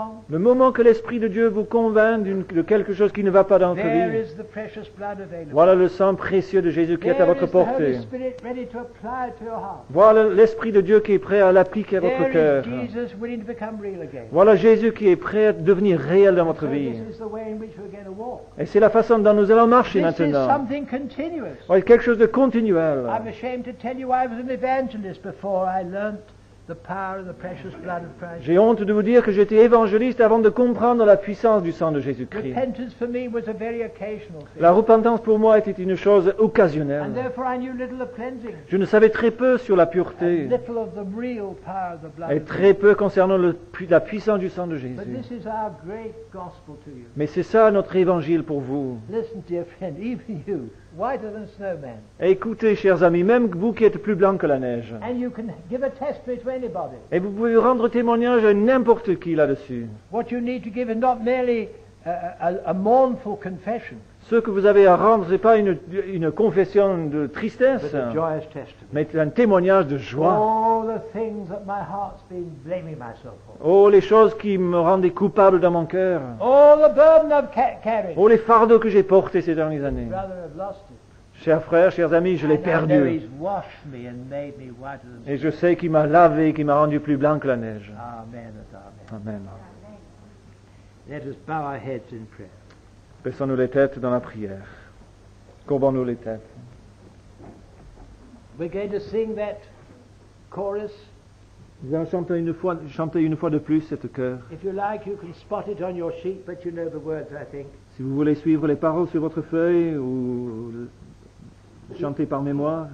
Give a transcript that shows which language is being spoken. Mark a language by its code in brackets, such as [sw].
[fr] Le moment que l'Esprit de Dieu vous convainc de quelque chose qui ne va pas dans votre vie, [en] there is the precious blood available. [fr] Voilà le sang précieux de Jésus qui [en] there [fr] est à votre portée. [en] The Holy Spirit ready to apply to your heart. [fr] Voilà l'Esprit de Dieu qui est prêt à l'appliquer à [en] there [fr] votre cœur. [en] Jesus willing to become real again. [fr] Voilà Jésus qui est prêt à devenir réel dans votre vie. [en] This is the way in which we're going to walk. [fr] Et c'est la façon dont nous allons marcher [en] this [fr] maintenant. [en] Is something continuous. [fr] Ouais, quelque chose de continuel. [en] I'm ashamed to tell you I was an evangelist before I learned the power of the precious blood of Christ. [fr] J'ai honte de vous dire que j'étais évangéliste avant de comprendre la puissance du sang de Jésus-Christ. [en] Repentance for me was a very occasional thing. [fr] La repentance pour moi était une chose occasionnelle. [en] And therefore I knew little of cleansing. [fr] Je ne savais très peu sur la pureté. [en] And little of the real power of the blood. [fr] Et très peu concernant la puissance du sang de Jésus. [en] But this is our great gospel to you. [fr] Mais c'est ça notre évangile pour vous. [en] Listen, dear friend, even you. Whiter than snowman. [fr] Écoutez, chers amis, même vous qui êtes plus blanc que la neige. [en] And you can give a testimony to anybody. [fr] Et vous pouvez rendre témoignage à n'importe qui là-dessus. [en] What you need to give is not merely a mournful confession. [fr] Ce que vous avez à rendre, ce n'est pas une confession de tristesse, [en] but a joyous testimony. [fr] Mais un témoignage de joie. [en] All the things that my heart's been blaming myself for. [fr] Oh, les choses qui me rendaient coupable dans mon cœur. [en] All the burden I've carried. [fr] Oh, les fardeaux que j'ai portés ces dernières années. [en] Brother, I've lost it. [fr] Chers frères, chers amis, je l'ai perdu. [en] And I know he's washed me and made me whiter than [fr] et je sais qu'il m'a lavé et qu'il m'a rendu plus blanc que la neige. [en] Amen. [fr] Amen. [en] Let us bow our heads in prayer. [fr] Baissons-nous les têtes dans la prière. Courbons-nous les têtes. [en] We're going to sing that chorus. [fr] Nous allons chanter une fois de plus cette chœur. [en] If you like, you can spot it on your sheet, but you know the words, I think. [fr] Si vous voulez suivre les paroles sur votre feuille ou chanter par mémoire.